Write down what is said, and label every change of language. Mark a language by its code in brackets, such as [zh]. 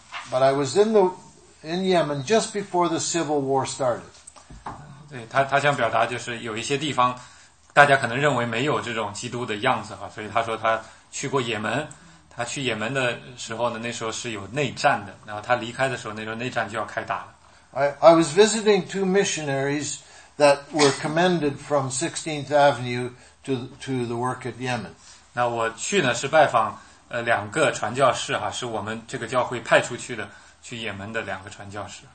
[en] But I was in Yemen just before the civil war started. [zh] 对，他想表达就是有一些地方大家可能认为没有这种基督的样子啊，所以他说他去过也门，他去也门的时候呢，那时候是有内战的，然后他离开的时候那时候内战就要开打了。 [en] I was visiting two missionaries that were commended from 16th Avenue to the work at Yemen. [zh] 那我去呢是拜访两个传教士啊，是我们这个教会派出去的去也门的两个传教士。